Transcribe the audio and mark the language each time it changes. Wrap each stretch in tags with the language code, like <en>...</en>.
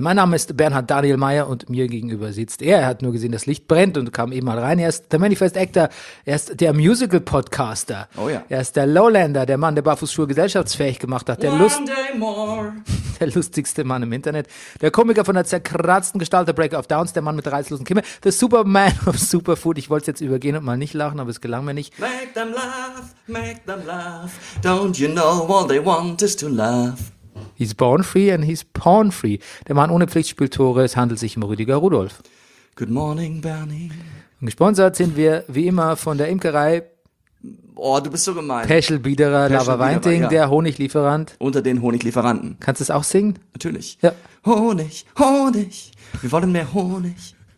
<de>Mein Name ist Bernhard Daniel Mayer und mir gegenüber sitzt er. Er hat nur gesehen, das Licht brennt und kam eben mal rein. Er ist der Manifest Actor, er ist der Musical Podcaster. Oh ja. Er ist der Lowlander, der Mann, der Barfußschuhe gesellschaftsfähig gemacht hat. Der lustigste Mann im Internet. Der Komiker von der zerkratzten Gestalt, der Breaker of Downs, der Mann mit der reizlosen Kimme. Der Superman of Superfood. Ich wollte es jetzt übergehen und mal nicht lachen, aber es gelang mir nicht.</de> <en>Make them laugh, don't you know? All they want is to love. He's born free and he's porn free.</en> <de>Der Mann ohne Pflichtspieltore, es handelt sich um Rüdiger Rudolph.</de> <en>Good morning, Bernie.</en> <de>Und gesponsert sind wir, wie immer, von der Imkerei. Oh, du bist so gemein. Peschel Biederer, Lava Weinting, ja. Der Honiglieferant. Unter den Honiglieferanten. Kannst du es auch singen? Natürlich. Ja. Honig, Honig, wir wollen mehr Honig.</de>